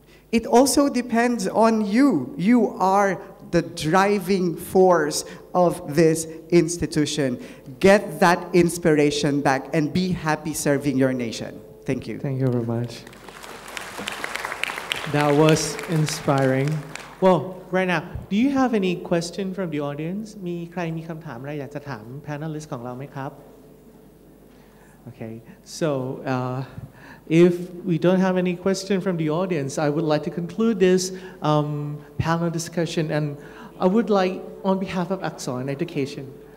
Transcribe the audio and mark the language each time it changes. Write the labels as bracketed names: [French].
[English] It also depends on you. You are the driving force of this institution. Get that inspiration back and be happy serving your nation. Thank you. Thank you very much. That was inspiring. Well, right now, do you have any question from the audience? [Thai] มีใครมีคำถามอะไรอยากจะถาม panelists ของเราไหมครับ [English] Okay. So, if we don't have any question from the audience, I would like to conclude this panel discussion. And I would like, on behalf of Aksorn Education.